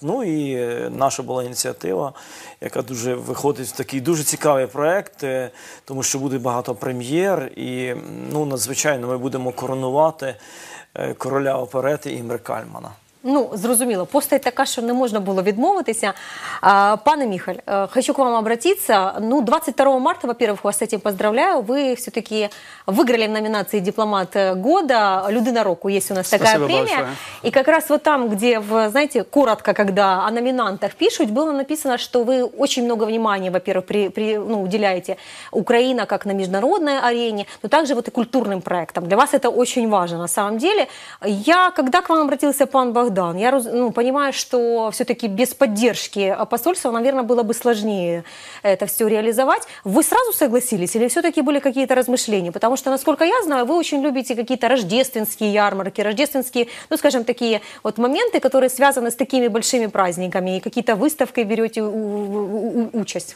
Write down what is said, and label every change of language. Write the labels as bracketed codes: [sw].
[uk] Ну і наша була ініціатива, яка дуже виходить в такий дуже цікавий проєкт, тому що буде багато прем'єр і, ну, надзвичайно, ми будемо коронувати короля оперети Імре Кальмана. Ну, зрозуміло, постать така, що не можна було відмовитися. [ru] Пане Міхаль, хочу к вам обратиться. Ну, 22 марта, во-первых, вас с этим поздравляю. [uk] Ви все-таки виграли в номінації [ru] «Дипломат года», [uk] «Людина року» є у нас така премія. І якраз вот там, де, знаєте, коротко, коли о номінантах пишуть, було написано, що ви дуже багато уваги, [ru] во-первых, [uk] уділяєте Україна як на міжнародній арені, але також вот і культурним проєктам. Для вас це дуже важливо, [ru] на самом деле. Я, коли к вам обратився пан Богдан, я понимаю, что все-таки без поддержки посольства, наверное, было бы сложнее это все реализовать. Вы сразу согласились или все-таки были какие-то размышления? Потому что, насколько я знаю, вы очень любите какие-то рождественские ярмарки, рождественские, ну, скажем, такие вот моменты, которые связаны с такими большими праздниками, и какие-то выставки берете участь.